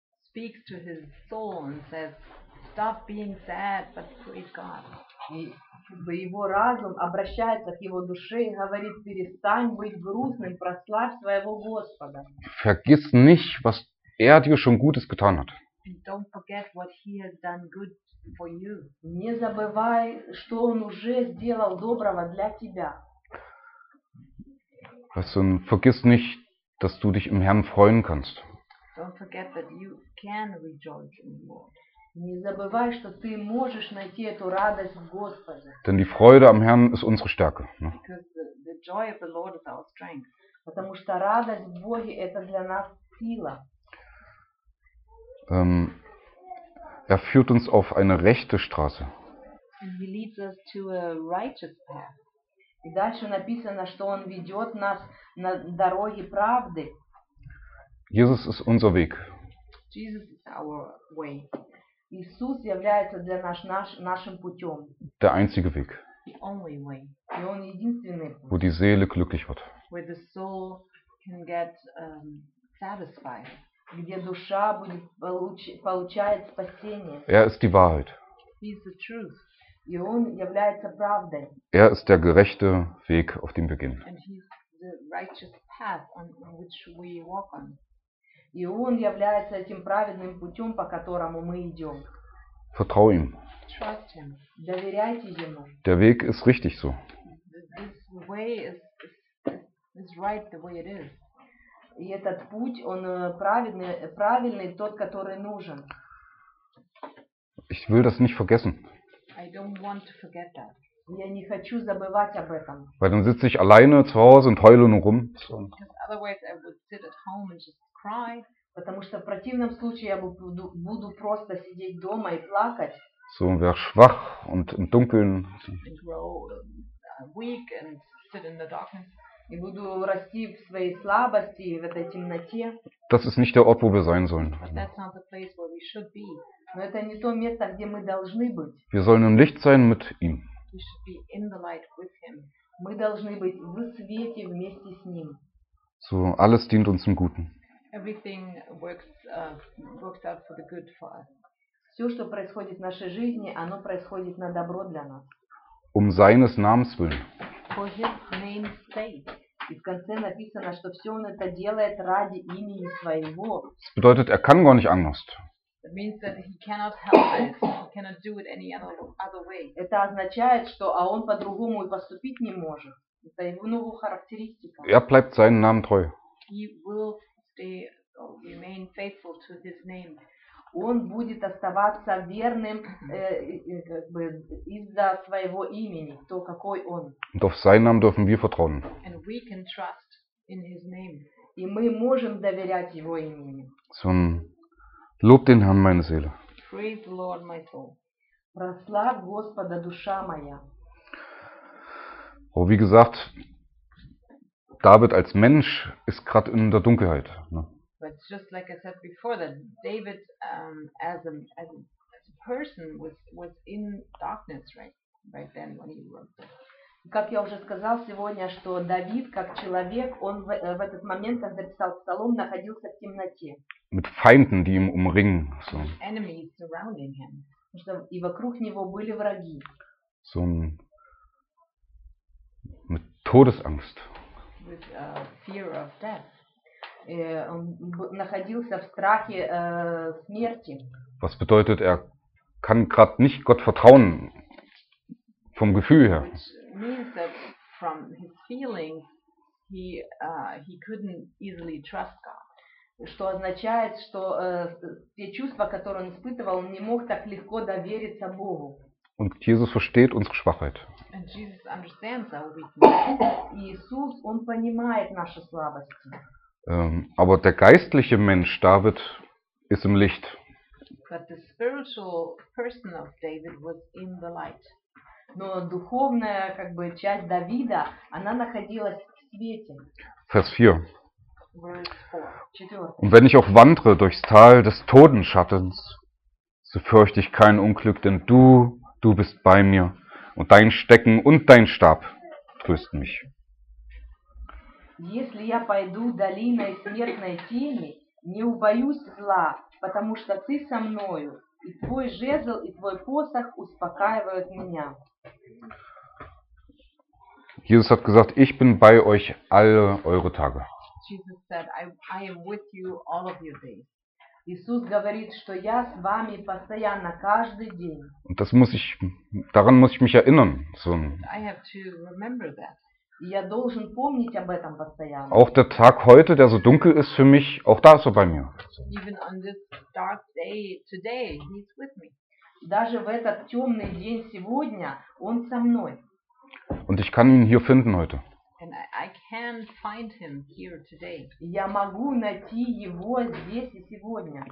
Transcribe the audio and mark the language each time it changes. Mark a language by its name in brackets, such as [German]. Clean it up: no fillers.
[English] Speaks to his soul and says, "Stop being sad, but praise God." [Russian] Его разум обращается к его душе и говорит: "Перестань быть грустным, прославь своего Господа." [German] Vergiss nicht, was dir schon Gutes getan hat. [English] Don't forget what he has done good for you. [Russian] Не забывай, что он уже сделал доброго для тебя. [German] Vergiss nicht, dass du dich im Herrn freuen kannst. [English] Don't forget that you can rejoice in the Lord. [Russian] Не забывай, что ты можешь найти эту радость в Господе. [German] Denn die Freude am Herrn ist unsere Stärke. Ne? [English] Because the joy of the Lord is our strength. [Russian] Потому что радость в Боге это для нас сила. [German] Er führt uns auf eine rechte Straße. [English] And he leads us to a righteous path. [Russian] И дальше написано, что он ведет нас на дороге правды. [German] Jesus ist unser Weg. [English] Jesus is our way. [Russian] Иисус является для нас нашим путем. [German] Der einzige Weg. [English] The only way. [Russian] И он единственный путь. [German] Wo die Seele glücklich wird. [English] Where the soul can get satisfied. [Russian] где душа будет получать спасение. [German] Ist die Wahrheit. [English] He is the truth. [Russian] И он является правдой. [German] Ist der gerechte Weg, auf dem wir gehen. [English] And he is the righteous path on which we walk on. [Russian] И он является этим праведным путем, по которому мы идем. [German] Vertrau ihm. [English] Trust him. [Russian] Доверяйте ему. [German] Der Weg ist richtig so. [English] This way is right the way it is. [Russian] И этот путь, он правильный, тот, который нужен. [German] Ich will das nicht vergessen. [English] I don't want to forget that. [Russian] Я не хочу забывать об этом. [German] Weil dann sitze ich alleine zu Hause und heule nur rum. [English] Because otherwise I would sit at home and just cry. [Russian] Потому что в противном случае я буду просто сидеть дома и плакать. [German] So und wäre schwach und im Dunkeln. [English] And grow weak and sit in the darkness. [Russian] И буду расти в своей слабости и в этой темноте. [German] Das ist nicht der Ort, wo wir sein sollen. [English] But that's not the place where we should be. [Russian] Но это не то место, где мы должны быть. [German] Wir sollen im Licht sein mit ihm. [English] We should be in the light with him. [Russian] Мы должны быть в свете вместе с ним. [German] So alles dient uns im Guten. [English] Everything works out for the good for us. [Russian] Все, что происходит в нашей жизни, оно происходит на добро для нас. [German] Um seines Namens willen. [English] For his name's sake. [Russian] И в конце написано, что все он это делает ради имени своего. [German] Das bedeutet, kann gar nicht anders. [English] That means that he cannot help it. He cannot do it any other way. [Russian] Это означает, что а он по-другому и поступить не может. Это его новая характеристика. [German] Bleibt seinem Namen treu. [English] He will stay or remain faithful to his name. [Russian] Он будет оставаться верным как бы из-за своего имени, то какой он. [German] Und auf seinen Namen dürfen wir vertrauen. [English] And we can trust in his name. [Russian] И мы можем доверять его имени. [German] So, lob den Herrn, meine Seele. [English] Praise the Lord, my soul. [Russian] Прослав Господа, душа моя. [German] Oh, wie gesagt, David als Mensch ist gerade in der Dunkelheit, ne? [English] But just like I said before, that David, as a person, was in darkness right then when he wrote this. [Russian] Как я уже сказал сегодня, что Давид как человек, он в этот момент, когда писал псалом, находился в темноте. [German] Mit Feinden, die ihn umringen. So. [English] Enemies surrounding him. [Russian] И вокруг него были враги. [German] So, mit Todesangst. [English] With fear of death. [Russian] Он находился в страхе смерти. [German] Was bedeutet, kann gerade nicht Gott vertrauen, vom Gefühl her. [English] Which means that from his feelings he couldn't easily trust God. [Russian] Что означает, что те чувства, которые он испытывал, он не мог так легко довериться Богу. [German] Und Jesus versteht unsere Schwachheit. [English] And Jesus understands our weakness. [Russian] Иисус, он понимает наши слабости. [German] Aber der geistliche Mensch David ist im Licht. [English] But the spiritual person of David was in the light. [Russian] Но духовная как бы часть Давида, она находилась в свете. [German] Vers 4. [English] Verse 4. [German] Und wenn ich auch wandre durchs Tal des Totenschattens, so fürchte ich kein Unglück, denn du bist bei mir und dein Stecken und dein Stab trösten mich. [Russian] Если я пойду долиной смертной тени, не убоюсь зла, потому что ты со мною, и твой жезл и твой посох успокаивают меня. [German] Jesus hat gesagt, ich bin bei euch alle eure Tage. [English] Jesus said, I am with you all of your days. [Russian] Иисус говорит, что я с вами постоянно каждый день. [German] Und das muss ich, daran muss ich mich erinnern. So. [English] I have to remember that. [Russian] Я должен помнить об этом постоянно. [German] Auch der Tag heute, der so dunkel ist für mich, auch da ist er bei mir. [English] Even on this dark day today, he's with me. [Russian] Даже в этот темный день сегодня, он со мной. [German] Und ich kann ihn hier finden heute. [English] And I can find him here today. [Russian] Я могу найти его здесь и сегодня.